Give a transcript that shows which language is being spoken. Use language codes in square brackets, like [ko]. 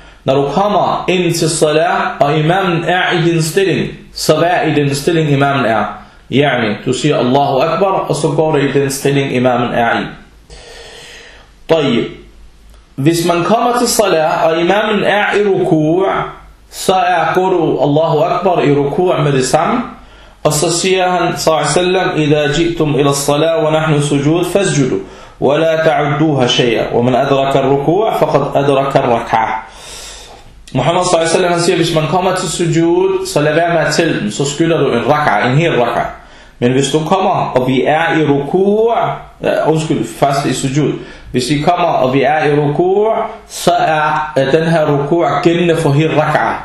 [da] Når du kommer ind til salat, og imamen er i din stilling, så vær i den stilling, imamen er. Ja'ni, du siger Allahu Akbar, og så går du i den stilling, imamen er i. طيب. Hvis man kommer til salat, og imamen er i ruku', så er går du Allahu Akbar i ruku' med det samme. Og så siger han, s.a.w., [ar] إذا جئتم إلى الصلاة ونحن سجود فاسجدوا ولا تعدوها شيئا ومن أدرك الركوع فقد أدرك الركعة. [da] Muhammad s.a.w. siger, hvis man kommer til sujud, så lad være med at tælle dem, så skylder du en rak'a, en hel rak'a. Men hvis du kommer, og vi er i ruku', faktisk i sujud. Hvis vi kommer, og vi er i ruku', så er den her ruku' gældende for hele rak'a.